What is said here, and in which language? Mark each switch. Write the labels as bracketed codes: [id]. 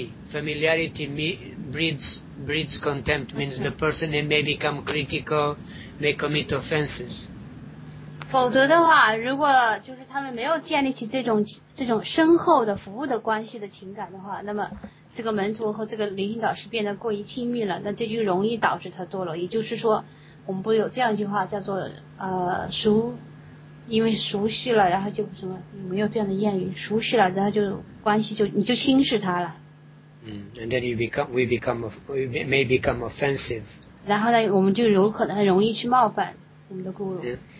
[en] Familiarity breeds contempt. Means the person may become critical, may commit offenses. [zh] 否则的话，如果就是他们没有建立起这种深厚的服务的关系的情感的话，那么。这个门徒和这个灵性导师变得过于亲密了，那这就容易导致他堕落。也就是说，我们不有这样一句话叫做熟，因为熟悉了，然后就什么有没有这样的谚语，熟悉了，然后就关系就你就轻视他了。 [en] And then you become, we become, we may become offensive. [zh] 然后呢，我们就有可能很容易去冒犯我们的guru。